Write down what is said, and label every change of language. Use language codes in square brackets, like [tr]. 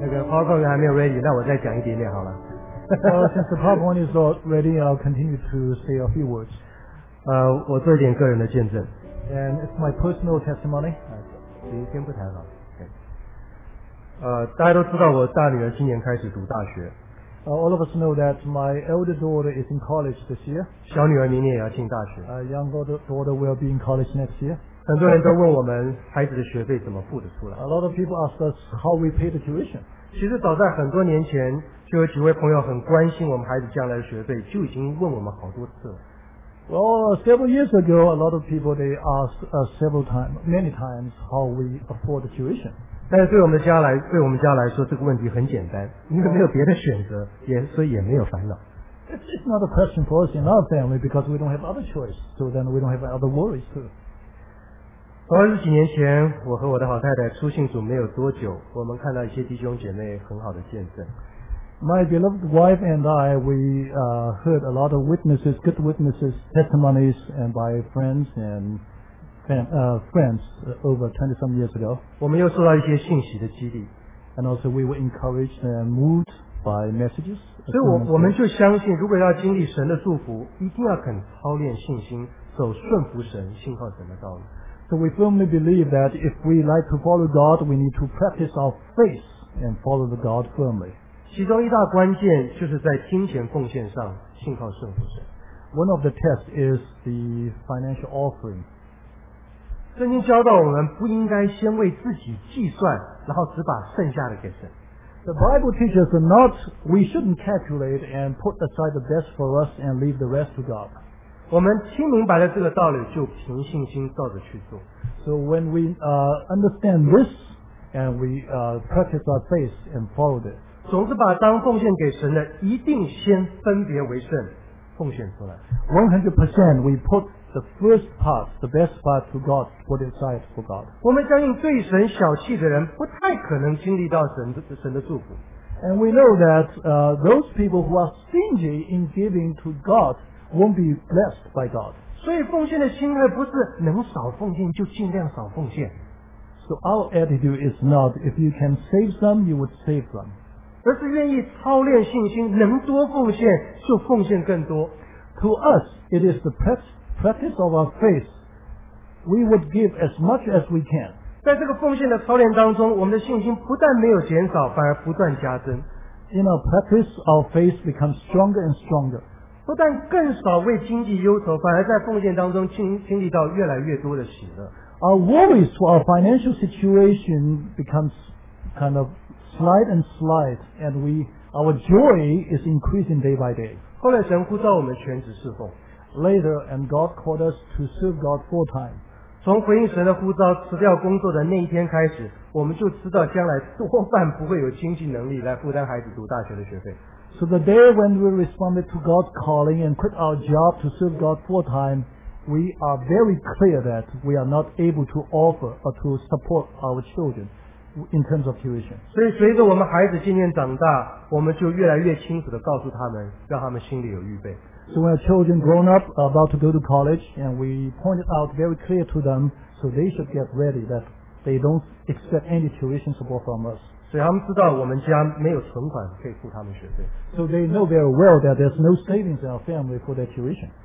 [zh] PowerPoint 还没有 ready， 那我再讲一点点好了。 [en] Since the PowerPoint is not ready, I'll continue to say a few words. [zh] 我做一点个人的见证。 [en] And it's my personal testimony. [zh] 先不谈了。大家都知道我大女儿今年开始读大学。 [en] All of us know that my elder daughter is in college this year. [zh] 小女儿明年也要进大学。 [en] Younger daughter will be in college next year. [zh] 很多人都问我们孩子的学费怎么付得出来。 [en] A lot of people ask us how we pay the tuition. [zh] 其实早在很多年前，就有几位朋友很关心我们孩子将来的学费，就已经问我们好多次了。 [en] Well, several years ago, a lot of people they asked us several times, many times how we afford the tuition. [zh] 但是对我们家来说，这个问题很简单，因为没有别的选择，所以也没有烦恼。 [en] It's not a question for us in our family because we don't have other choice, so then we don't have other worries too. [zh] 二十几年前，我和我的好太太出信主没有多久，我们看到一些弟兄姐妹很好的见证。 [en] My beloved wife and I, we heard a lot of witnesses, good witnesses, testimonies, and by friends and friends over 20-some years ago. [zh] 我们又受到一些信息的激励。 [en] And also we were encouraged and moved by messages. [zh] 所以我们就相信，如果要经历神的祝福，一定要肯操练信心，走顺服神、信靠神的道路。 [en] So we firmly believe that if we like to follow God, we need to practice our faith and follow the God firmly. [zh] 其中一大关键就是在金钱奉献上信靠顺服神。 [en] One of the tests is the financial offering. [zh] 圣经教导我们不应该先为自己计算，然后只把剩下的给神。 [en] The Bible teaches that not we shouldn't calculate and put aside the best for us and leave the rest to God. [zh] 我们听明白了这个道理，就凭信心照着去做。 [en] So when we understand this, and we practice our faith and follow it, [zh] 总是把当奉献给神的，一定先分别为圣，奉献出来。 [en] 100% we put the first part, the best part to God, put aside for God. [zh] 我们相信对神小气的人，不太可能经历到神的祝福。 [en] And we know that those people who are stingy in giving to God. Won't be blessed by God. [zh] 所以奉献的心态不是能少奉献就尽量少奉献。 [en] So our attitude is not if you can save some, you would save some. [zh] 而是愿意操练信心，能多奉献就奉献更多。 [en] To us, it is the practice of our faith. We would give as much as we can. [zh] 在这个奉献的操练当中，我们的信心不但没有减少，反而不断加增。 [en] In our practice, our faith becomes stronger and stronger. [zh] 不但更少为经济忧愁，反而在奉献当中经历到越来越多的喜乐。 [en] Our worries for our financial situation becomes kind of slight and slight, and our joy is increasing day by day. [zh] 后来神呼召我们全职侍奉。 [en] Later, and God called us to serve God full time. [zh] 从回应神的呼召辞掉工作的那一天开始，我们就知道将来多半不会有经济能力来负担孩子读大学的学费。 [en] So the day when we responded to God's calling and quit our job to serve God full time, we are very clear that we are not able to offer or to support our children in terms of tuition. [zh] 所以随着我们孩子渐渐长大，我们就越来越清楚地告诉他们，让他们心里有预备。 [en] So when our children grown up are about to go to college, and we pointed out very clear to them, so they should get ready that they don't expect any tuition support from us. [zh] 所以他们知道我们家没有存款可以付他们学费。 [en] So they know very well that there's no savings in our family for their tuition.